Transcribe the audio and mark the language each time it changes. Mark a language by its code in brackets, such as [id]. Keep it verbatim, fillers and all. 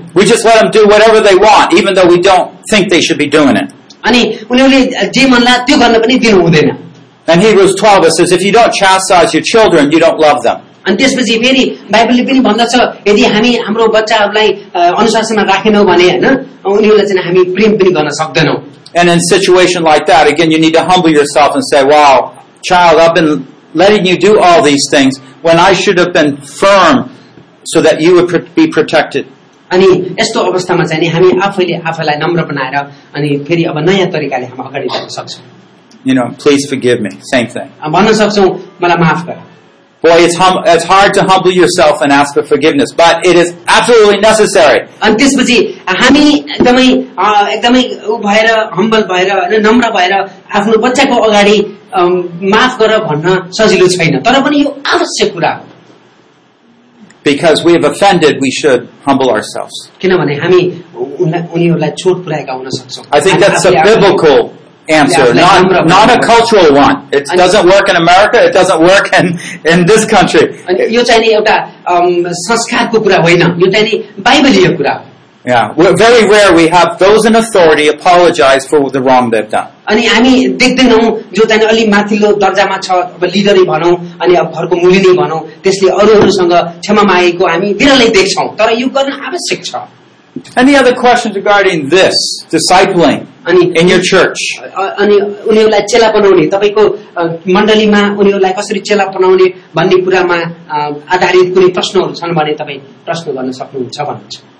[en] We just let them do whatever they want, even though we don't think they should be doing it. [ne] अनि उनीहरूले जे मनला त्यो गर्न पनि दिनु हुँदैन। [en] And Hebrews twelve says, if you don't chastise your children, you don't love them. [ne] अनि त्यसपछि फेरि बाइबलले पनि भन्दछ, यदि हामी हाम्रो बच्चाहरूलाई अनुशासनमा राखेनौं भने हैन उनीहरूलाई चाहिँ हामी प्रेम पनि गर्न सक्दैनौं। [en] And in a situation like that, again, you need to humble yourself and say, wow, child, I've been letting you do all these things when I should have been firm so that you would pr- be protected. [ne] अनि यस्तो अवस्थामा चाहिँ नि हामी आफैले आफैलाई नम्र बनाएर अनि फेरि अब नयाँ तरिकाले हामी अगाडि बढ्न सक्छौं। [en] You know, please forgive me. Same thing. [ne] भन्न सक्छौं मलाई माफ गर। [en] Boy, it's, hum- it's hard to humble yourself and ask for forgiveness, but it is absolutely necessary. [ne] अनि त्यसपछि हामी एकदमै एकदमै उ भएर हम्बल भएर नम्र भएर आफ्नो बच्चाको अगाडि माफ गर भन्न सजिलो छैन, तर पनि यो आवश्यक कुरा हो। [en] Because we have offended, we should humble ourselves. [ne] किनभने हामी उनीहरूलाई चोट पुर्याएका हुन सक्छौं। [en] I think that's a biblical answer, not not a cultural one. It doesn't work in America, it doesn't work in in this country. [ne] यो चाहिँ नि एउटा संस्कारको कुरा होइन, यो चाहिँ नि बाइबलीय कुरा हो। [en] Yeah, we're very rare we have those in authority apologize for the wrong they've done. [ne] अनि हामी देख्दैनौं जो चाहिँ अलि माथिल्लो दर्जामा छ, अब लिडरै भनौं अनि अब घरको मुलिनी भनौं, त्यसले अरूहरुसँग क्षमा मागेको हामी बिरलै देख्छौं, तर यो गर्न आवश्यक छ। [en] Any other questions regarding this discipling [ne] अनि [en] in your church? [ne] अ- अनि उनीहरूलाई चेला बनाउने तपाईँको अ, मण्डलीमा उनीहरूलाई कसरी चेला बनाउने भन्ने कुरामा अ, आधारित कुनै प्रश्नहरू छन् भने तपाईँ प्रश्न गर्न सक्नुहुन्छ भन्नुहुन्छ।